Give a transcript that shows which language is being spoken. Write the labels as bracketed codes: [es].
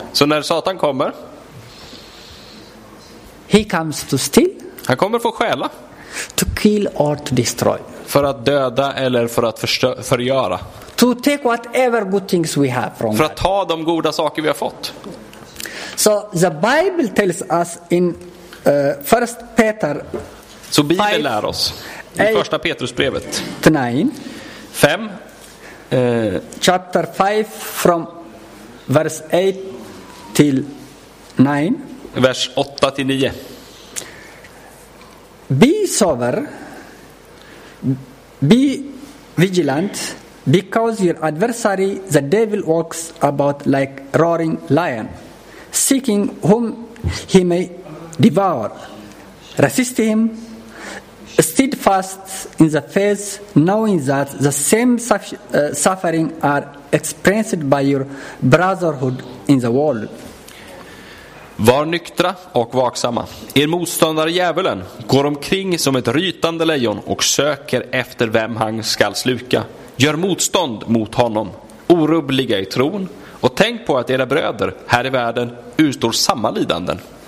[sv] Så när Satan kommer. [en] He comes to steal. [sv] Han kommer för att stjäla. [en] To kill or to destroy. [sv] För att döda eller för att förgöra. [en] To take whatever good things we have from. [sv] För att ta de goda saker vi har fått. [en] So the Bible tells us in First Peter. [sv] Så Bibeln lär oss i första Petrusbrevet. [en] 5. Chapter 5 from verse 8 till 9. [sv] Vers 8 till 9. [en] Be sober, be vigilant, because your adversary, the devil, walks about like a roaring lion, seeking whom he may devour. Resist him, steadfast in the faith, knowing that the same suffering are experienced by your brotherhood in the world. [sv] Var nyktra och vaksamma. Er motståndare djävulen går omkring som ett rytande lejon och söker efter vem han skall sluka. Gör motstånd mot honom. Orubbliga i tron. Och tänk på att era bröder här i världen utstår samma lidanden.